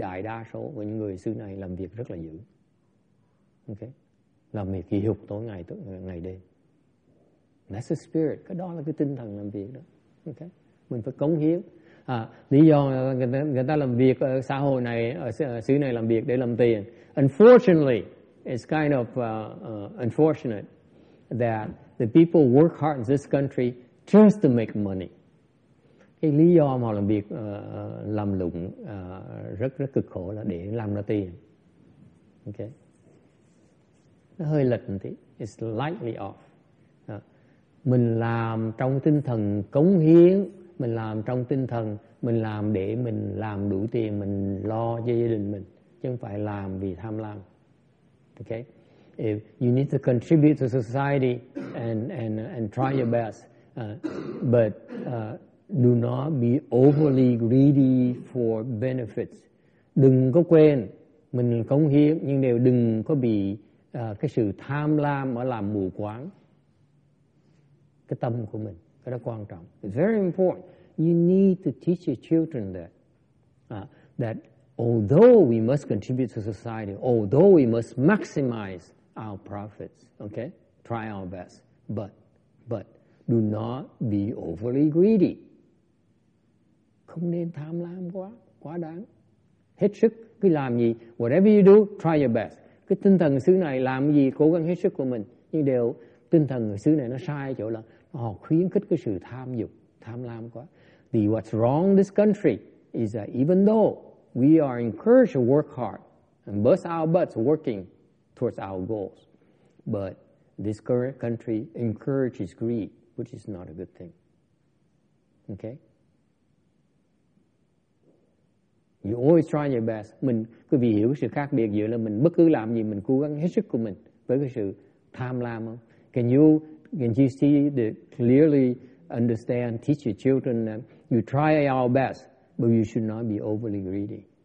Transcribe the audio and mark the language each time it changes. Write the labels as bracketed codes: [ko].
[vi] Đại đa số của những người xứ này làm việc rất là dữ. Okay, làm việc kỳ hục tối ngày đêm. [en] That's the spirit. [vi] Cái đó là cái tinh thần làm việc đó. Okay, mình phải cống hiến. À, lý do người ta làm việc ở xã hội này, ở xứ này làm việc để làm tiền. [en] Unfortunately, it's kind of unfortunate that the people work hard in this country just to make money. [vi] Cái lý do mà họ làm việc làm lụng rất rất cực khổ là để làm ra tiền. Okay, nó hơi lệch một tí. [en] It's slightly off. [vi] Mình làm trong tinh thần cống hiến, mình làm trong tinh thần mình làm để mình làm đủ tiền, mình lo cho gia đình mình, chứ không phải làm vì tham lam. [en] Okay, if you need to contribute to society and try your best, but do not be overly greedy for benefits. [vi] Đừng có quên mình cống hiến, nhưng đều đừng có bị cái sự tham lam ở làm mù quáng cái tâm của mình. Cái đó quan trọng. [en] It's very important. You need to teach your children that. That although we must contribute to society, although we must maximize our profits, okay? Try our best. But do not be overly greedy. [vi] Không nên tham lam quá đáng. Hết sức, cứ làm gì. [en] Whatever you do, try your best. [vi] Cái tinh thần xứ này làm gì, cố gắng hết sức của mình. Nhưng đều tinh thần xứ này nó sai chỗ là họ khuyến khích cái sự tham dục, tham lam quá. [en] The what's wrong this country is that even though we are encouraged to work hard and bust our butts working towards our goals, but this current country encourages greed, which is not a good thing. Okay? You always try your best. [vi] Mình cứ vì hiểu cái sự khác biệt giữa là mình bất cứ làm gì mình cố gắng hết sức của mình với cái sự tham lam không? [en] Can you see the clearly understand, teach your children that you try our best, but you should not be overly greedy.